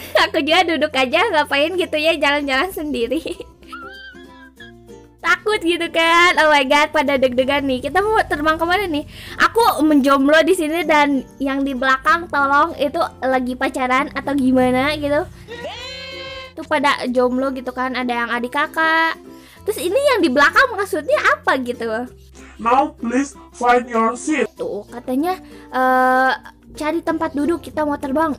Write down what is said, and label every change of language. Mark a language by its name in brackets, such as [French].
[Indonesian] Aku juga duduk aja, ngapain gitu ya jalan-jalan sendiri. Takut gitu kan. [English] Oh my god, [Indonesian] pada deg-degan nih. Kita mau terbang kemana nih? Aku menjomblo di sini dan yang di belakang tolong itu lagi pacaran atau gimana gitu. Tuh pada jomblo gitu kan, ada yang adik kakak. Terus ini yang di belakang maksudnya apa gitu? [English] Now please find your seat. [Indonesian] Tuh katanya cari tempat duduk, kita mau terbang.